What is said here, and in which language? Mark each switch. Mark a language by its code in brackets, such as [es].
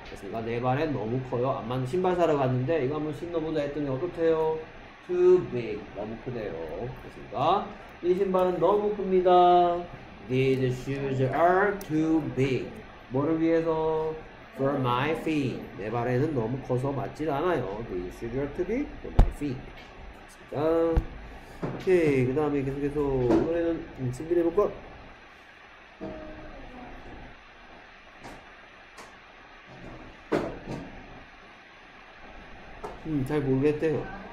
[ko] 그러니까 내 발에 너무 커요. 안만 신발 사러 갔는데 이거 한번 신어보자 했더니 어떻대요? [en] Too big. [ko] 너무 크대요. 그러니까 이 신발은 너무 큽니다. [en] These shoes are too big. [ko] 뭐를 위해서? [en] For my feet. [ko] 내 발에는 너무 커서 맞지 않아요. [en] These shoes are too big for my feet. [ko] 자, 오케이. 그 다음에 계속해서 이번에는 준비해볼까? 잘 모르겠대요.